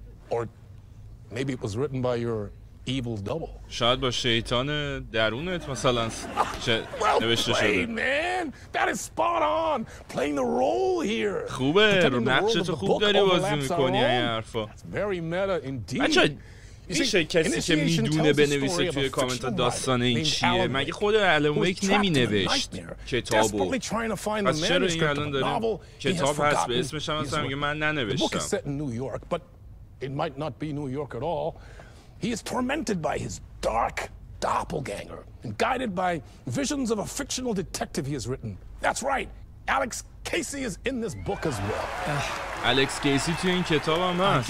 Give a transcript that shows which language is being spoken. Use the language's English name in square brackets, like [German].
[English] Or maybe it was written by your evil double. [Persian] شاید با شیطان درونت مثلا نوشته شده. [English] Well, man, that is spot on. Playing the role here. [Persian] خوبه، نقش تو خوب داری بازی می‌کنی این حرفا. [English] That's very meta indeed. [Persian] بچه‌ها میشه کسی که میدونه بنویسه توی کامنت داستان این چیه؟ مگه خود الان ویک نمینوشت کتابو؟ پس چرا این الان داریم کتاب هست به اسمش هم هستم که من ننوشتم؟ [English] The book is set in New York, but it might not be New York at all. He is tormented by his dark doppelganger and guided by visions of a fictional detective he has written. That's right, Alex Casey is in this book as well. [Persian] Alex Casey توی این کتاب هم هست.